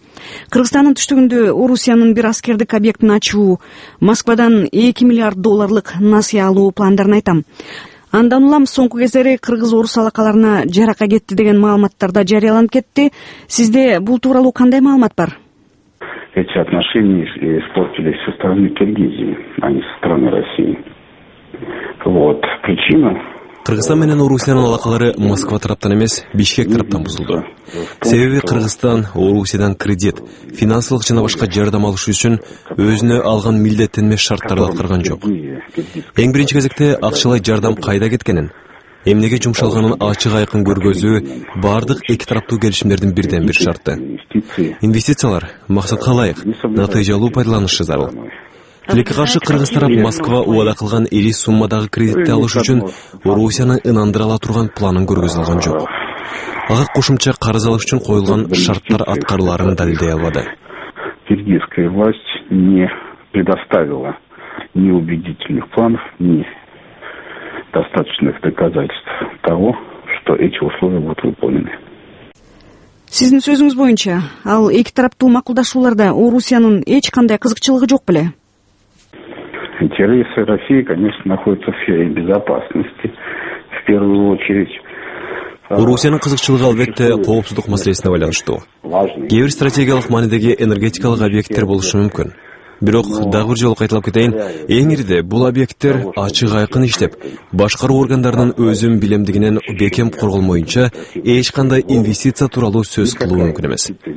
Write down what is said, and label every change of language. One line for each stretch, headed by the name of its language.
Kyrgyz: Кыргызстандын түштүгүндө Орусиянын бир аскердик объектин ачуу, Москвадан 2 миллиард долларлык насыя алуу пландарын айтам. Андан улам соңку кездери кыргыз орус алакаларына жарака кетти деген маалыматтар да жарыяланып кетти. Сизде бул тууралуу кандай маалымат бар?
Russian: Эти отношения испортились со стороны Киргизии, а не со стороны России. Вот причина.
Kyrgyz: Кыргызстан менен Орусиянын алакалары Москва тараптан эмес, Бишкек тараптан бузулду. Себеби Кыргызстан Орусиядан кредит, финансылык жана башка жардам алыш үчүн өзүнө алган милдеттенме шарттарды аткарган жок. Эң биринчи кезекте акчалай жардам кайда кеткенин, эмнеге жумшалганын ачык айкын көргөзүү бардык эки тараптуу келишимдердин бирден бир шарты. Инвестициялар максатка ылайык, натыйжалуу пайдаланышы зарыл. Тилекке каршы кыргыз тарап Москва убада кылган ири суммадагы кредитти алыш үчүн Орусияны ынандыра ала турган планын көргөзүлгөн жок. Ага кошумча карыз алыш үчүн коюлган шарттар аткарыларын далилдей албады.
Russian: Киргизская власть не предоставила ни убедительных планов, ни достаточных доказательств того, что эти условия будут выполнены.
Kyrgyz: Сиздин сөзүңүз боюнча, ал эки тараптуу макулдашууларда Орусиянын эч кандай кызыкчылыгы жок беле?
Russian: Интересы России, конечно, находятся в сфере безопасности в первую очередь.
Kyrgyz: Орусиянын кызыкчылыгы албетте коопсуздук маселесине байланыштуу. Кээ бир стратегиялык маанидеги энергетикалык объекттер болушу мүмкүн. Бирок дагы бир жолу кайталап кетейин, эң ириде бул объекттер ачык айкын иштеп, башкаруу органдарынын өзүн билемдигинен бекем корголмоюнча эч кандай инвестиция тууралуу сөз кылуу мүмкүн эмес.